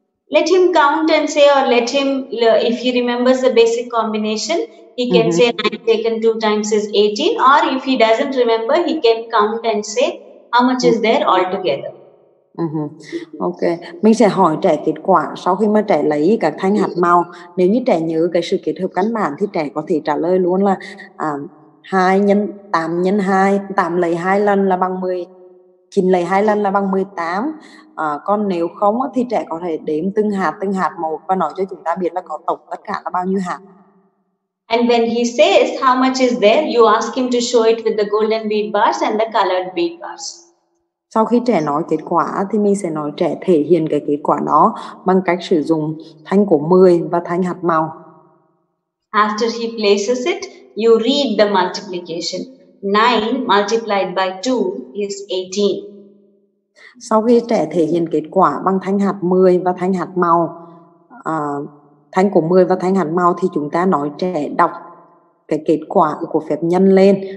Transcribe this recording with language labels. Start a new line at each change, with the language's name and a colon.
English: Let him count and say, or let him, if he remembers the basic combination, he can say 9 taken 2 times is 18. Or if he doesn't remember, he can count and say how much is there altogether.
Vietnamese: Ok, mình sẽ hỏi trẻ kết quả sau khi mà trẻ lấy các thanh hạt màu. Nếu như trẻ nhớ cái sự kết hợp căn bản thì trẻ có thể trả lời luôn là 2 nhân 8 nhân 2, 8 lấy 2 lần là bằng 10, 9 lấy 2 lần là bằng 18. Còn nếu không thì trẻ có thể đếm từng hạt một và nói cho chúng ta biết là có tổng tất cả là bao nhiêu hạt.
English: And when he says how much is there, you ask him to show it with the golden bead bars and the colored bead bars.
Vietnamese: Sau khi trẻ nói kết quả thì mình sẽ nói trẻ thể hiện cái kết quả đó bằng cách sử dụng thanh của 10 và thanh hạt màu.
English: After he places it, you read the multiplication. 9 multiplied by 2 is 18.
Vietnamese: Sau khi trẻ thể hiện kết quả bằng thanh hạt 10 và thanh hạt màu, thanh của 10 và thanh hạt màu thì chúng ta nói trẻ đọc cái kết quả của phép nhân lên.